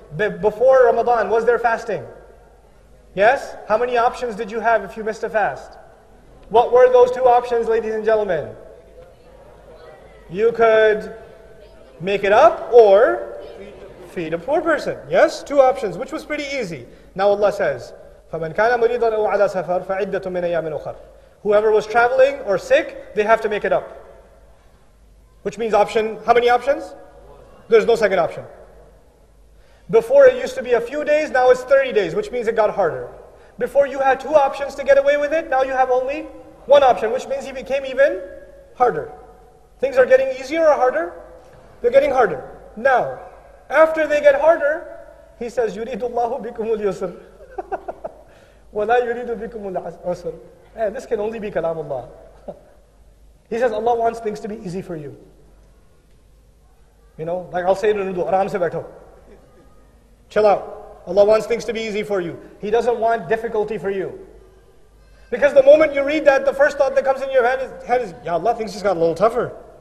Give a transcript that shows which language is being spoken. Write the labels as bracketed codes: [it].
[en] Before Ramadan, was there fasting? Yes? How many options did you have if you missed a fast? What were those two options, ladies and gentlemen? You could make it up or feed a poor person. Yes? Two options, which was pretty easy. Now Allah says, [ar] فَمَنْ كَانَ مُرِيدًا أَوْ عَلَى سَفَرْ فَعِدَّةٌ مِنْ أَيَّامٍ أُخَرْ. [en] Whoever was traveling or sick, they have to make it up. Which means option, how many options? There's no second option. Before it used to be a few days, now it's 30 days, which means it got harder. Before you had two options to get away with it, now you have only one option, which means it became even harder. Things are getting easier or harder? They're getting harder. Now, after they get harder, he says, [ar] يُرِيدُ اللَّهُ بِكُمُ الْيُسْرِ وَلَا يُرِيدُ بِكُمُ الْعُسْرِ. [en] Man, this can only be kalamullah. He says, Allah wants things to be easy for you. You know, like I'll say in Urdu, [ur] aram se baitho. [en] Chill out. Allah wants things to be easy for you. He doesn't want difficulty for you. Because the moment you read that, the first thought that comes in your head is, Ya Allah, things just got a little tougher.